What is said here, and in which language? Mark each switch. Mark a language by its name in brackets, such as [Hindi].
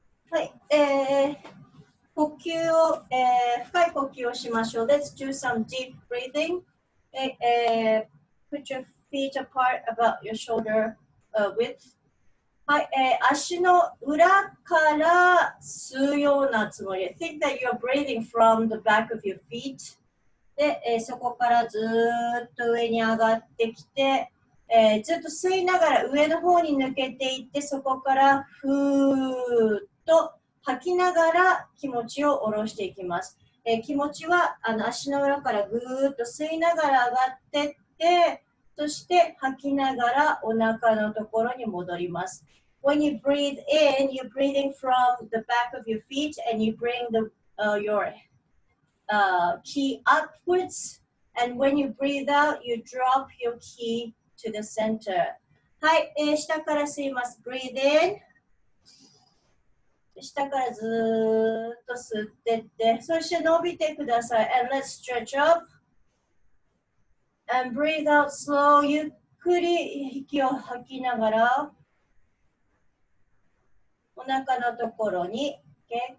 [Japanese] はい、呼吸を、深い呼吸をしましょう。 [English] Let's do some deep breathing. Put your feet apart about your shoulder width. [Japanese] はい、足の裏から吸うようなつもり。 [English] Think that you're breathing from the back of your feet. [Japanese] で、そこからずっと上に上がってきて、ずっと吸いながら上の方に抜けていって、そこからふーっと吐きながら気持ちを下ろしていきます。気持ちは足の裏からぐーっと吸いながら上がってって、そして吐きながらお腹のところに戻ります。 [English] When you breathe in, you're breathing from the back of your feet and you bring the, your... key upwards, and when you breathe out, you drop your key to the center. [Japanese] はい、下から吸います。 [English] Breathe in. [Japanese] 下からずーっと吸ってって、そして伸びてください。 [English] And let's stretch up. And breathe out slow. [Japanese] ゆっくり息を吐きながら、お腹のところに、okay?